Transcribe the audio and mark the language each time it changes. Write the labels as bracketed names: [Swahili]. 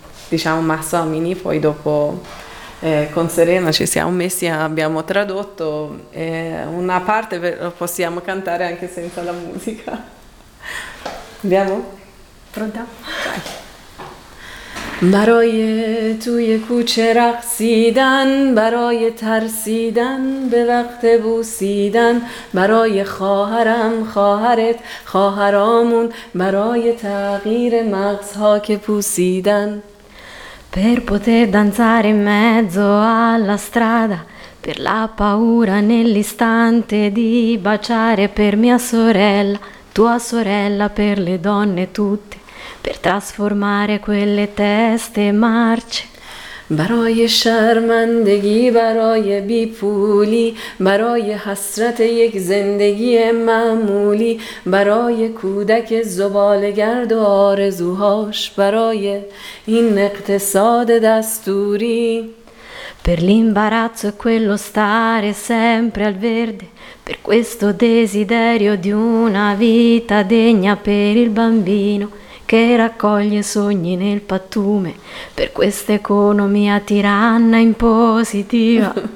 [Italian] diciamo Massa Amini, poi dopo con Serena ci siamo messi, abbiamo tradotto una parte, possiamo cantare anche senza la musica. Andiamo? Pronta? Vai. [Persian] برای توی کوچه رقصیدن، برای ترسیدن به وقت بوسیدن، برای خواهرم خواهرت خواهرامون، برای تغییر مغزها که پوسیدن، [Italian] per poter danzare in mezzo alla strada, per la paura nell'istante di baciare, per mia sorella tua sorella, per le donne tutte, per trasformare quelle teste marce. [Persian] برای شرمندگی، برای بیپولی، برای حسرت یک زندگی معمولی، برای کودک زبالگرد و آرزوهاش، برای این اقتصاد دستوری. [Italian] Per l'imbarazzo e quello stare sempre al verde, per questo desiderio di una vita degna, per il bambino che raccoglie sogni nel pattume, per questa economia tiranna impositiva.